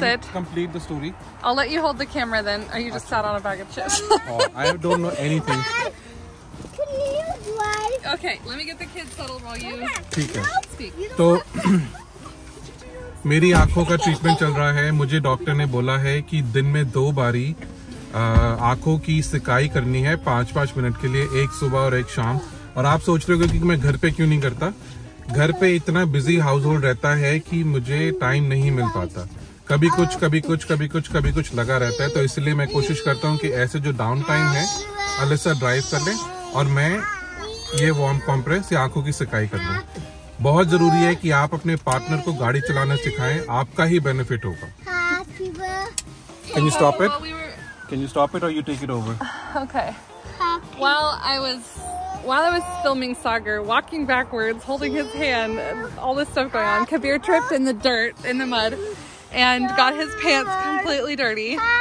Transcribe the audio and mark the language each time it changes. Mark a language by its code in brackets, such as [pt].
[en] Let me complete the story. I'll let you hold the camera then. Or you just sat on a bag of chips. Oh, I don't know anything. Can you drive? Okay, let me get the kids settled while you speak. [hi] So, मेरी आँखों का treatment चल रहा है। मुझे doctor ने बोला है कि दिन में दो बारी आँखों की सिकाई करनी है 5-5 मिनट के लिए, एक सुबह और एक शाम। और आप सोच रहे हो कि मैं घर पे क्यों नहीं करता। घर पे इतना बिजी हाउस होल्ड रहता है कि मुझे टाइम नहीं मिल पाता। कभी कुछ कभी कुछ कभी कुछ कभी कुछ लगा रहता है। तो इसलिए मैं कोशिश करता हूँ कि ऐसे जो डाउन टाइम है अलिसा ड्राइव कर ले और मैं ये वार्म कॉम्प्रेस या आँखों की सिकाई कर लूँ। बहुत जरूरी है कि आप अपने पार्टनर को गाड़ी चलाना सिखाएं, आपका ही बेनिफिट होगा। [en] Can you stop it or you take it over? Okay. While I was filming Sagar walking backwards holding his hand, all this stuff going on, Kabir tripped in the dirt in the mud and got his pants completely dirty.